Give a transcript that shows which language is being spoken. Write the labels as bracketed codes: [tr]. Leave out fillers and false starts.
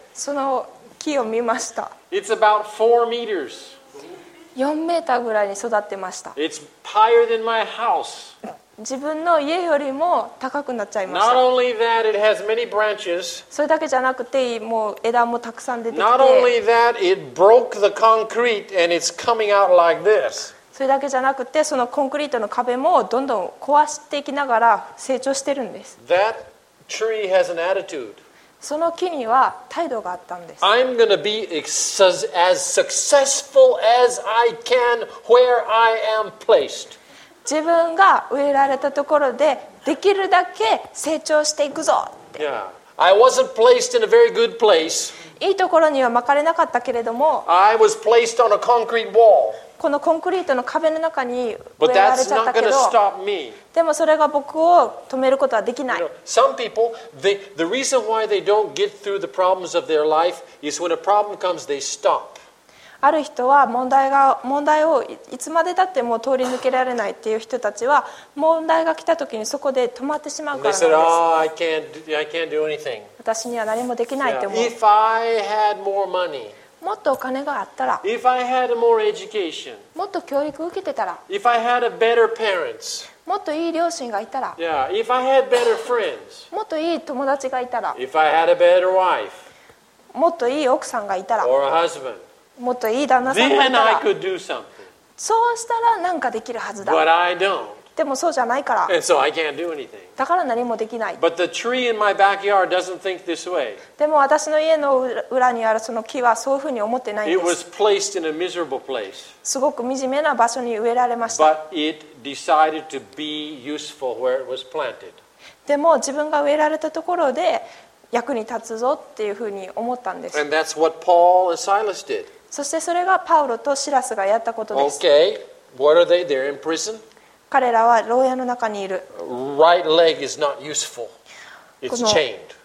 [ja] その木を見ました。 [en] It's about 4 meters. [ja] 4メーターぐらいに育ってました。 [en] It's higher than my house. [ja] 自分の家よりも高くなっちゃいました。 [en] Not only that, it has many branches. [ja] それだけじゃなくて、もう枝もたくさん出てきて。 [en] Not only that, it broke the concrete and it's coming out like this. [ja] それだけじゃなくて、そのコンクリートの壁もどんどん壊していきながら成長してるんです。 [en] That tree has an attitude. [ja] その木には態度があったんです。 [en] I'm gonna be as successful as I can where I am placed. [ja] 自分が植えられたところでできるだけ成長していくぞって。 [en] Yeah. I wasn't placed in a very good place. [ja] いいところにはまかれなかったけれども。 [en] I was placed on a concrete wall. [ja] このコンクリートの壁の中に植えられちゃったけど、でもそれが僕を止めることはできない。 [en] Some people, the reason why they don't get through the problems of their life is when a problem comes, they stop. [ja] ある人は問題をいつまでたっても通り抜けられないっていう人たちは、問題が来た時にそこで止まってしまうからなんです。 [en] They said, I can't do anything. [ja] 私には何もできないって思う。 [en] If I had more money. [ja] もっとお金があったら、 [en] If I had more education, [ja] もっと教育受けてたら、 [en] If I had a better parents, [ja] もっといい両親がいたら、 [en] yeah, If I had better friends, [ja] もっといい友達がいたら、 [en] If I had a better wife, [ja] もっといい奥さんがいたら、 [en] or a husband, [ja] もっといい旦那さんがいたら、 [en] then I could do something. [ja] そうしたら何かできるはずだ。 [en] But I don't. [ja] でもそうじゃないから。 [en] And so I can't do anything. [ja] だから何もできない。 [en] But the tree in my backyard doesn't think this way. [ja] でも私の家の裏にあるその木はそういうふうに思ってないんです。 [en] It was placed in a miserable place. [ja] すごく惨めな場所に植えられました。 [en] But it decided to be useful where it was planted. [ja] でも自分が植えられたところで役に立つぞっていうふうに思ったんです。 [en] And that's what Paul and Silas did. [ja] そしてそれがパウロとシラスがやったことです。 [en] Okay, what are they? They're in prison? [ja] 彼らは牢屋の中にいる。 [en] Right leg is not useful. It's chained.